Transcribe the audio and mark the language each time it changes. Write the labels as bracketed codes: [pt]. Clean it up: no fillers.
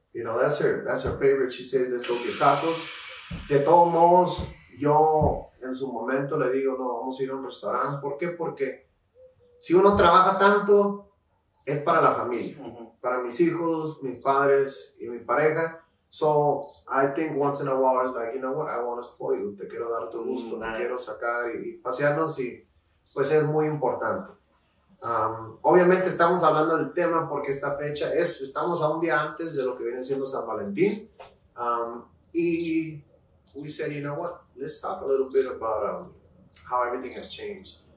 [en] You know, that's her favorite. She said, let's go get tacos. [es] De todos modos, yo en su momento le digo, no, vamos a ir a un restaurante. ¿Por qué? Porque si uno trabaja tanto, es para la familia. Uh-huh. Para mis hijos, mis padres y mi pareja. [en] So, I think once in a while, it's like, you know what, I want to spoil you. [es] Te quiero dar tu gusto, te quiero sacar y pasearnos. Y pues es muy importante. Obviamente estamos hablando del tema porque esta fecha es, estamos a un día antes de lo que viene siendo San Valentín. [en] Y we said, you know what, let's talk a little bit about how everything has changed.